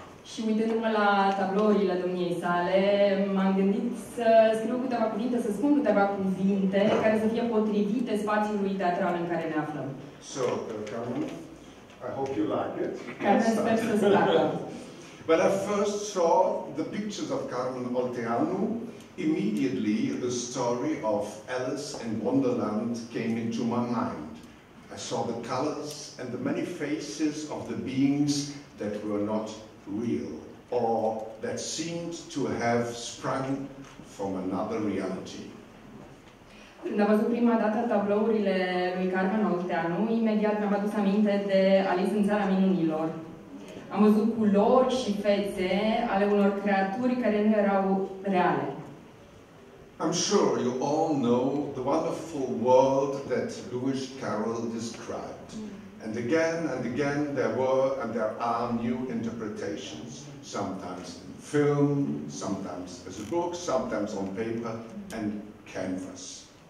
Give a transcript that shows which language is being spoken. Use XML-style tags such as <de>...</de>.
<ro>Și uitându-mă la tablourile domniei sale, m-am gândit să scriu câteva cuvinte, să spun câteva cuvinte care să fie potrivite spațiului teatral în care ne aflăm.</ro> <en>So, Carmen, I hope you like it.</en> <ro>Carmen, sper să-ți placă.</ro> <en>When I first saw the pictures of Carmen Odeanu, immediately the story of Alice in Wonderland came into my mind. I saw the colors and the many faces of the beings that were not real, or that seemed to have sprung from another reality.</en> <ro>Când am văzut prima dată tablourile lui Carmen Olteanu, imediat mi-am adus aminte de Alice în Țara Minunilor. Am văzut culori și fețe ale unor creaturi care nu erau reale.</ro> <en>I'm sure you all know the wonderful world that Lewis Carroll described. And again, there were and there are new interpretations, sometimes in film, sometimes as a book, sometimes on paper and canvas.</en>